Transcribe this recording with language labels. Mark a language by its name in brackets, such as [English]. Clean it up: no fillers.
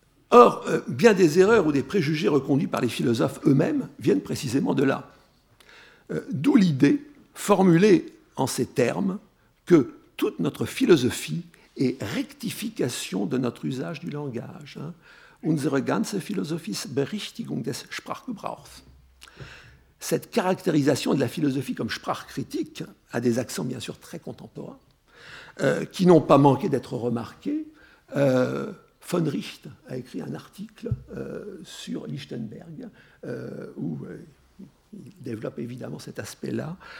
[French] Or, bien des erreurs ou des préjugés reconduits par les philosophes eux-mêmes viennent précisément de là. D'où l'idée, formulée en ces termes, que toute notre philosophie est rectification de notre usage du langage. [German] Unsere ganze Philosophie ist Berichtigung des Sprachgebrauchs. [French] Cette caractérisation de la philosophie comme sprachkritik a des accents bien sûr très contemporains, qui n'ont pas manqué d'être remarqués. Von Richt a écrit un article sur Lichtenberg où il développe évidemment cet aspect-là.